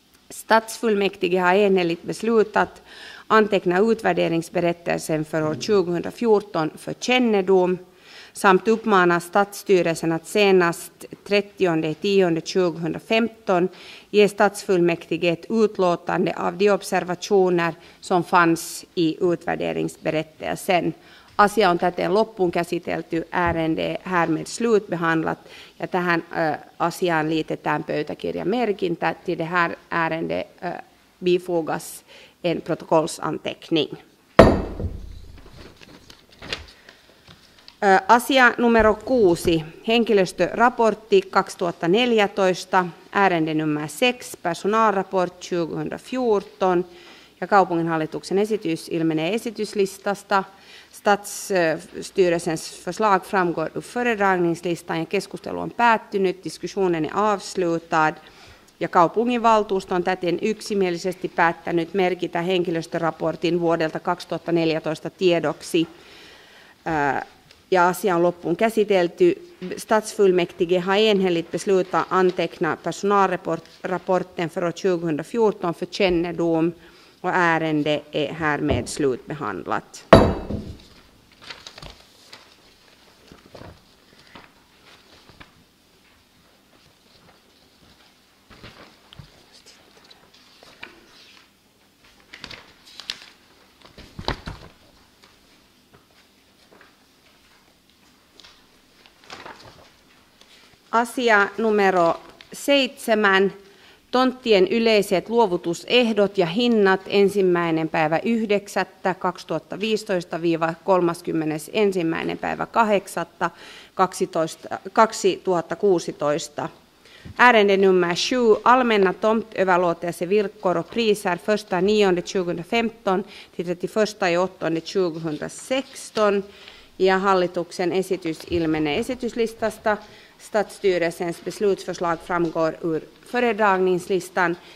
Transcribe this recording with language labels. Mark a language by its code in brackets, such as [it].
[sv] Statsfullmäktige har enhälligt beslutat anteckna utvärderingsberättelsen för år 2014 för kännedom samt uppmana statsstyrelsen att senast 30.10.2015 ge statsfullmäktige ett utlåtande av de observationer som fanns i utvärderingsberättelsen. [fi] Asia on täten loppuun käsitelty, [sv] ärende härmed slutbehandlat [fi] ja tähän asiaan liitetään pöytäkirjamerkintä [sv] till det här ärende bifogas en protokollsanteckning. [fi] Asia numero 6, henkilöstöraportti 2014, [sv] ärende nummer 6, personalraport 2014 [fi] ja kaupunginhallituksen esitys ilmenee esityslistasta. [sv] Statsstyrelsens förslag framgår ur föredragningslistan [fi] ja keskustelu on päättynyt, [sv] diskussionen är avslutad. [fi] Ja kaupunginvaltuusto on täten yksimielisesti päättänyt merkitä henkilöstöraportin vuodelta 2014 tiedoksi. Ja asia on loppuun käsitelty. [sv] Statsfullmäktige har enhälligt beslutat anteckna personalraporten för 2014 för kännedom och ärende är härmed slutbehandlat. [fi] Asia numero 7. Tonttien yleiset luovutusehdot ja hinnat 1.9.2015-31.8.2016. [sv] Ärende nummer 7. Allmänna tomtöverlåtelse villkor och priser 1.9.2015-31.8.2016. [fi] Ja hallituksen esitys ilmenee esityslistasta. [sv] Statsstyrelsens beslutsförslag framgår ur föredragningslistan.